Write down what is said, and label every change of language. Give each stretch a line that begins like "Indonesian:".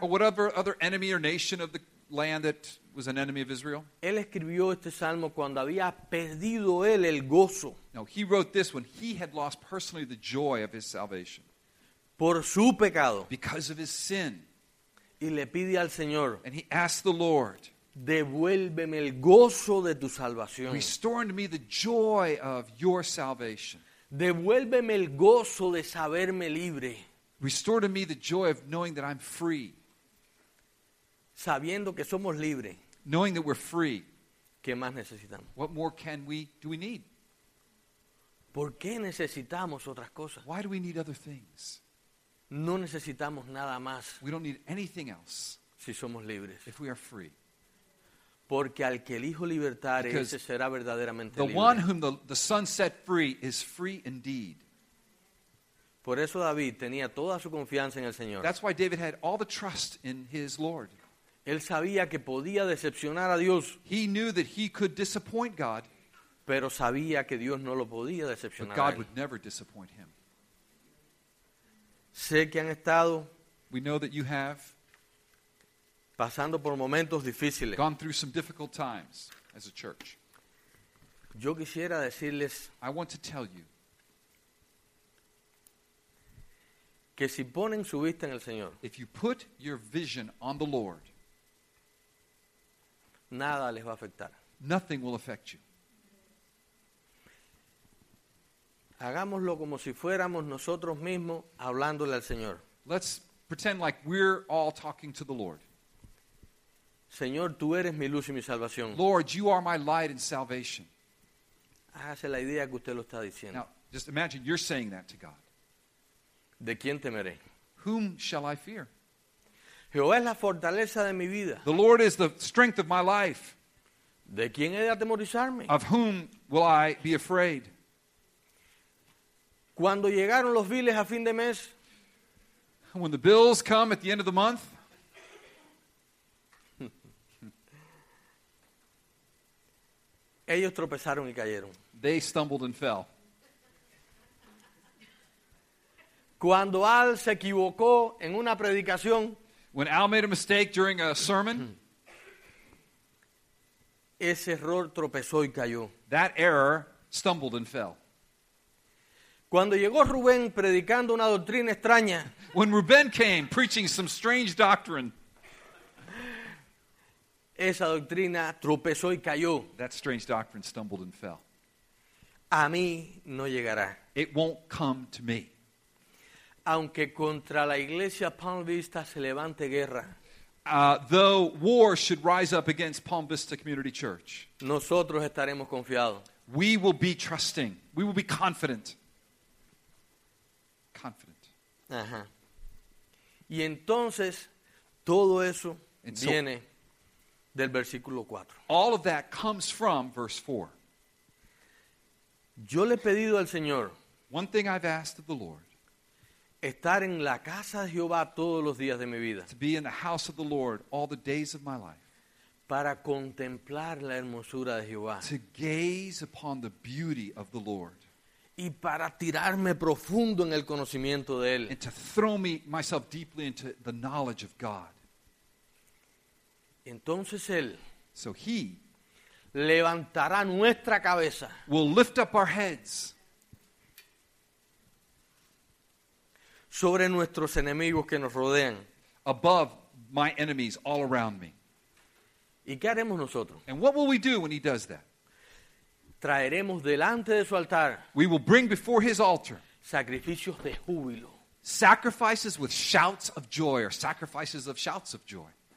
English: Or whatever other enemy or nation of the land that was an enemy of Israel?
Spanish: Él escribió este salmo cuando había perdido él el gozo.
English: No, he wrote this when he had lost personally the joy of his salvation.
Spanish: Por su pecado.
English: Because of his sin.
Spanish: Y le pide al Señor.
English: And he asked the Lord.
Spanish: Devuélveme el gozo de tu salvación.
English: Restore unto me the joy of your salvation.
Spanish: Devuélveme el gozo de saberme libre.
English: Restore to me the joy of knowing that I'm free.
Spanish: Sabiendo que somos libres.
English: Knowing that we're free.
Spanish: ¿Qué más necesitamos?
English: What more do we need?
Spanish: ¿Por qué necesitamos otras cosas?
English: Why do we need other things?
Spanish: No necesitamos nada más.
English: We don't need anything else.
Spanish: Si somos libres.
English: If we are free.
Spanish: Porque al que el Hijo libertare, ese será verdaderamente libre.
English: The one whom the Son set free is free indeed.
Spanish: Por eso David tenía toda su confianza en el Señor.
English: That's why David had all the trust in his Lord.
Spanish: Él sabía que podía decepcionar a Dios.
English: He knew that he could disappoint God.
Spanish: Pero sabía que Dios no lo podía decepcionar.
English: But God would never disappoint him.
Spanish: Sé que han estado.
English: We know that you have.
Spanish: Pasando por momentos difíciles.
English: Gone through some difficult times as a church.
Spanish: Yo quisiera decirles.
English: I want to tell you.
Spanish: Que si ponen su vista en el Señor.
English: If you put your vision on the Lord.
Spanish: Nada les va a afectar.
English: Nothing will affect you.
Spanish: Hagámoslo como si fuéramos nosotros mismos hablándole al Señor.
English: Let's pretend like we're all talking to the Lord.
Spanish: Señor, tú eres mi luz y mi salvación.
English: Lord, you are my light and salvation.
Spanish: Hágase la idea que usted lo está diciendo.
English: Now, just imagine you're saying that to God.
Spanish: ¿De quién temeré?
English: Whom shall I fear?
Spanish: Jehová es la fortaleza de mi vida.
English: The Lord is the strength of my life.
Spanish: ¿De quién he de atemorizarme?
English: Of whom will I be afraid?
Spanish: Cuando llegaron los biles a fin de mes.
English: When the bills come at the end of the month.
Spanish: Ellos tropezaron y cayeron.
English: They stumbled and fell.
Spanish: Cuando Al se equivocó en una predicación.
English: When Al made a mistake during a sermon.
Spanish: Ese error tropezó y cayó.
English: That error stumbled and fell.
Spanish: Cuando llegó Rubén predicando una doctrina extraña.
English: When Rubén came preaching some strange doctrine.
Spanish: Esa doctrina tropezó y cayó.
English: That strange doctrine stumbled and fell.
Spanish: A mí no llegará.
English: It won't come to me.
Spanish: Aunque contra la iglesia Palm Vista se levante guerra.
English: though war should rise up against Palm Vista Community Church,
Spanish: nosotros estaremos confiados.
English: We will be trusting. We will be confident. Confident.
Spanish: Ajá. Y entonces, todo eso viene del versículo 4.
English: All of that comes from verse 4.
Spanish: Yo le he pedido al Señor.
English: One thing I've asked of the Lord.
Spanish: Estar en la casa de Jehová todos los días de mi vida.
English: To be in the house of the Lord all the days of my life.
Spanish: Para contemplar la hermosura de Jehová.
English: To gaze upon the beauty of the Lord.
Spanish: Y para tirarme profundo en el conocimiento de Él.
English: And to throw myself deeply into the knowledge of God.
Spanish: Entonces Él.
English: So He.
Spanish: Levantará nuestra cabeza.
English: Will lift up our heads.
Spanish: Sobre nuestros enemigos que nos rodean.
English: Above my enemies all around me.
Spanish: ¿Y qué haremos nosotros?
English: And what will we do when he does that?
Spanish: Traeremos delante de su altar.
English: We will bring before his altar.
Spanish: Sacrificios de júbilo.
English: Sacrifices with shouts of joy, or sacrifices of shouts of joy.